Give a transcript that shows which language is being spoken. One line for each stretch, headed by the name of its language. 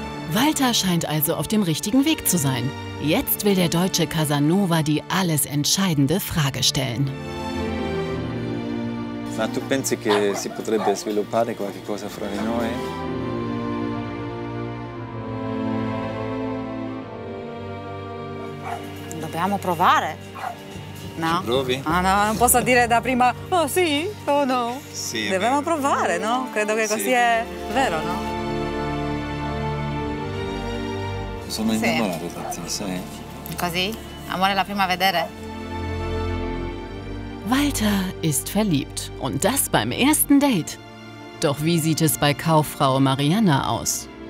German: Walter scheint also auf dem richtigen Weg zu sein. Jetzt will der deutsche Casanova die alles entscheidende Frage stellen.
Italian: Ma tu pensi che si potrebbe sviluppare qualche cosa fra di noi? Dobbiamo provare? No? Ci provi? Ah, no, non posso dire da prima, oh sì o oh, no? Sì. Dobbiamo provare, no? Credo che così sì. È vero, no? Sono innamorato da te, sai? Così? Amore la prima a vedere?
German: Walter ist verliebt und das beim ersten Date. Doch wie sieht es bei Kauffrau Mariana aus?